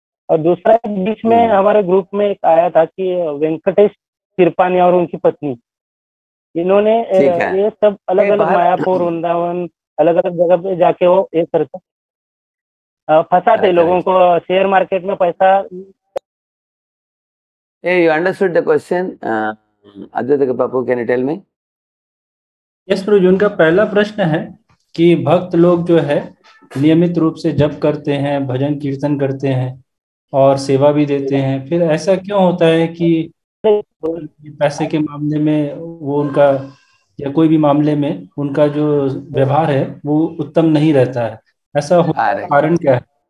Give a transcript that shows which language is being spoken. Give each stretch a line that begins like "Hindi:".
Hindi: और दूसरा, बीच में हमारे ग्रुप में एक आया था कि वेंकटेश कृपानी और उनकी पत्नी, इन्होंने ये सब अलग अलग मायापुर वृंदावन अलग अलग जगह पे जाके वो ये करते फंसाते लोगों को, शेयर मार्केट में पैसा
English: Hey, you understood the question? Advaita Kapapu, can you tell me?
Hindi: Yes, Prabhuji, उनका पहला प्रश्न है कि भक्त लोग जो है नियमित रूप से जप करते हैं, भजन कीर्तन करते हैं और सेवा भी देते हैं, फिर ऐसा क्यों होता है कि पैसे के मामले में वो उनका या कोई भी मामले में उनका जो व्यवहार है वो उत्तम नहीं रहता है, ऐसा कारण क्या है?